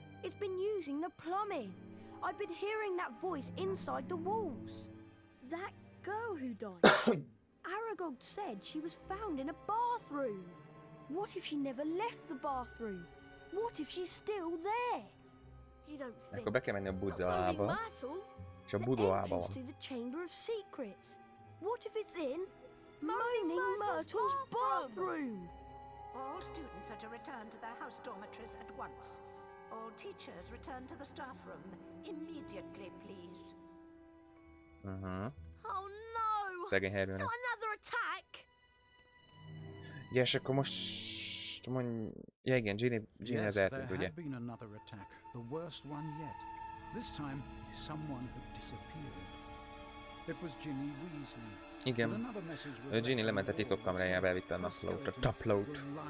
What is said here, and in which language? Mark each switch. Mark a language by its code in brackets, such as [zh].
[en] It's been using the plumbing. I've been hearing that voice inside the walls. That girl who died. Aragog said she was found in a bathroom. What if she never left the bathroom? What if she's still there? [hu] Akkor be kell menni a budoába. És a budoába van. [en] The Chamber of Secrets. What if it's in Moaning Myrtle's bathroom? All students are to return to their house dormitories at once. All teachers return to the staff room immediately, please. Oh no! [hu] Szegény Hermione. [en] Not another attack. [hu] Ja, és akkor most mondj... Ja igen, Ginny az eltűnt, ugye? [en] The worst one yet. This time, someone had disappeared. It was Ginny Weasley. [hu] Igen. Ginny lement a titok kamerájába, elvitte a naplót, a taplót.